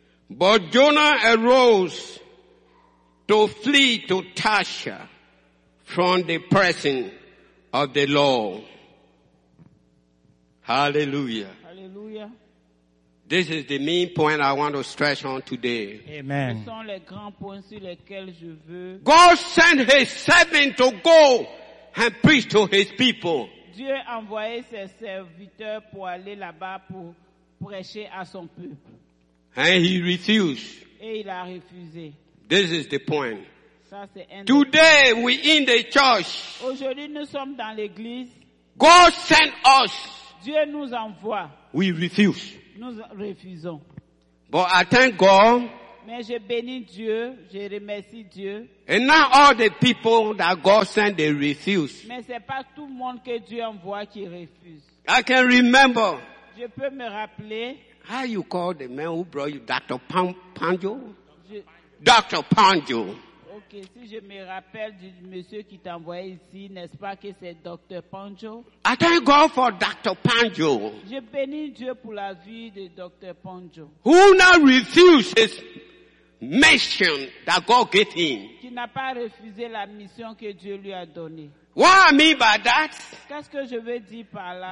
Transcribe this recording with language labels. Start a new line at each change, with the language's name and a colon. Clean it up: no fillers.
English: But Jonah arose to flee to Tarshish from the presence of the Lord. Hallelujah. Hallelujah. This is the main point I want to stress on today. Amen.
French: Ce sont les grands points sur lesquels je veux.
English: God sent his servant to go and preach to his people.
French: Dieu a envoyé ses serviteurs pour aller là-bas pour prêcher à son peuple.
English: And he refused.
French: Et il a refusé.
English: This is the point.
French: Ça, c'est un
English: today des we in the church.
French: Aujourd'hui nous sommes dans l'église.
English: God sent us.
French: Dieu nous envoie.
English: We refuse.
French: Nous refusons.
English: But I thank God.
French: Mais je bénis Dieu, je remercie Dieu.
English: And not all the people that God sent, they refuse.
French: Mais c'est pas tout le monde que Dieu envoie qui refuse.
English: I can remember.
French: Je peux me rappeler.
English: How you call the man who brought you, Dr. Panjo? Dr. Panjo.
French: Okay, si je me rappelle du monsieur qui t'a envoyé ici, n'est-ce pas que c'est Dr. Panjo?
English: I thank God for Dr. Panjo.
French: Je bénis Dieu pour la vie de Dr. Panjo.
English: Who now refused his mission that God gave him?
French: Qui n'a pas refusé la mission que Dieu lui a donnée.
English: What I mean by that?
French: Qu'est-ce que je veux dire par là?